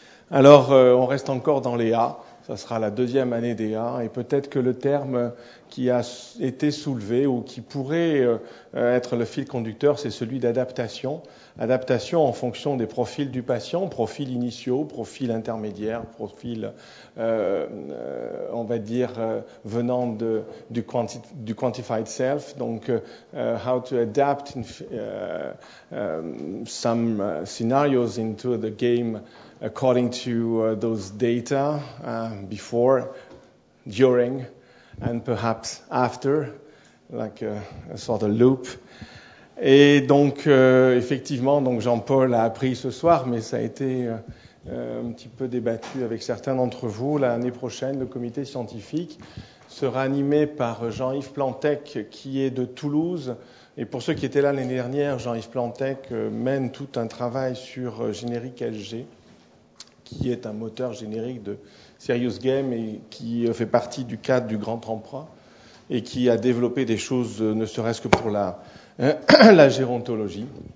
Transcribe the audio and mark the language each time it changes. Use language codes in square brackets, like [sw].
[fr] Alors, on reste encore dans les A, ça sera la deuxième année des A, et peut-être que le terme qui a été soulevé ou qui pourrait être le fil conducteur, c'est celui d'adaptation. Adaptation en fonction des profils du patient, profils initiaux, profils intermédiaires, profils, venant du quantified self. [en] Donc, how to adapt in, some scenarios into the game according to those data before, during, and perhaps after, like a sort of loop. [fr] Et donc, effectivement, donc Jean-Paul a appris ce soir, mais ça a été un petit peu débattu avec certains d'entre vous. L'année prochaine, le comité scientifique sera animé par Jean-Yves Plantec, qui est de Toulouse. Et pour ceux qui étaient là l'année dernière, Jean-Yves Plantec mène tout un travail sur Générique LG, qui est un moteur générique de Serious Game et qui fait partie du cadre du Grand Emploi et qui a développé des choses, ne serait-ce que pour la gérontologie.